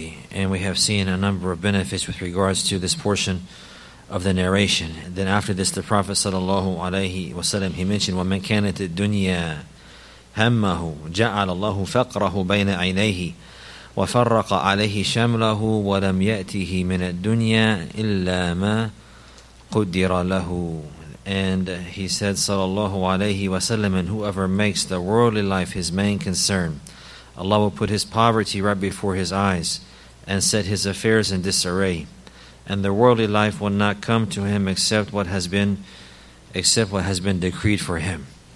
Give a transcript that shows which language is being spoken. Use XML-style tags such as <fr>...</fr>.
<en>And we have seen a number of benefits with regards to this portion of the narration. And then after this, the Prophet sallallahu alaihi wasallam, he mentioned,</en> <ar>وَمَنْ كَانَتِ الدُّنْيَا هَمَّهُ جَعَلَ اللَّهُ فَقْرَهُ بَيْنَ عَيْنَيْهِ وفرق عليه شمله ولم يأته من الدنيا إلا ما قدر له.</ar> <en>And he said sallallahu alayhi wa sallam, and whoever makes the worldly life his main concern, Allah will put his poverty right before his eyes and set his affairs in disarray, and the worldly life will not come to him except what has been decreed for him.</en>